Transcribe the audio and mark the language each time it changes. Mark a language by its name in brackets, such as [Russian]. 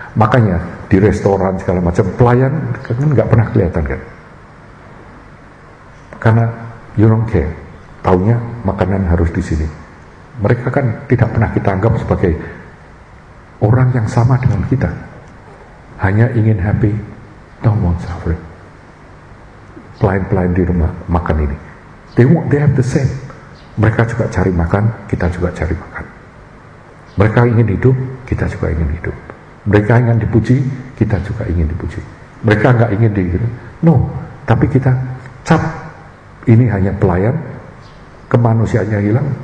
[Indonesian] Makanya di restoran segala macam pelayan kan enggak pernah kelihatan kan? Karena [English] you don't care. [Indonesian] Taunya makanan harus di sini. Mereka kan tidak pernah kita anggap sebagai orang yang sama dengan kita. Hanya ingin [English] happy, don't want suffering. [Indonesian] Pelayan-pelayan di rumah makan ini. [English] They have the same. [Indonesian] Mereka juga cari makan, kita juga cari makan. Mereka ingin hidup, kita juga ingin hidup. Mereka ingin dipuji, kita juga ingin dipuji. Mereka enggak ingin dihidup. No, tapi kita cap. Ini hanya pelayan, kemanusiaannya hilang.